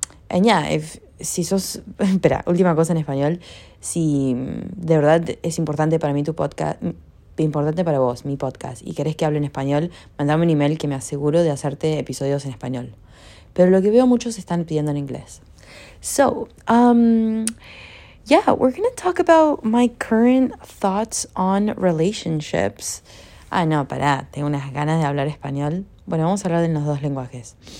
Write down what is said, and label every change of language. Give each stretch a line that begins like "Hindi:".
English: And yeah,
Spanish: espera, última cosa en español. Si de verdad es importante para mí tu podcast, importante para vos, mi podcast, y querés que hable en español, mandame un email que me aseguro de hacerte episodios en español. Pero lo que veo, muchos están pidiendo en inglés.
English: So, yeah, we're gonna talk about my current thoughts on relationships.
Spanish: Ah, no, pará, tengo unas ganas de hablar español. Bueno, vamos a hablar de los dos lenguajes.